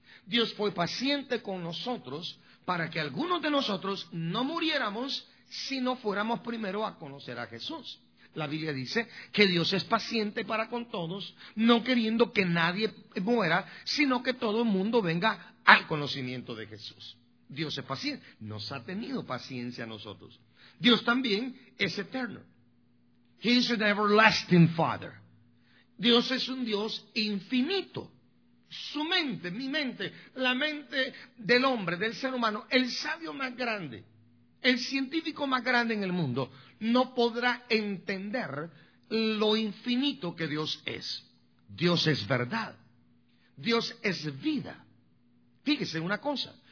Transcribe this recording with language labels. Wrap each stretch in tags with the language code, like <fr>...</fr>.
<es>Dios fue paciente con nosotros para que algunos de nosotros no muriéramos si no fuéramos primero a conocer a Jesús. La Biblia dice que Dios es paciente para con todos, no queriendo que nadie muera, sino que todo el mundo venga al conocimiento de Jesús. Dios es paciente. Nos ha tenido paciencia a nosotros. Dios también es eterno.</es> <en>He is an everlasting Father.</en> <es>Dios es un Dios infinito. Su mente, mi mente, la mente del hombre, del ser humano, el sabio más grande, el científico más grande en el mundo, no podrá entender lo infinito que Dios es. Dios es verdad. Dios es vida. Fíjese una cosa.</es>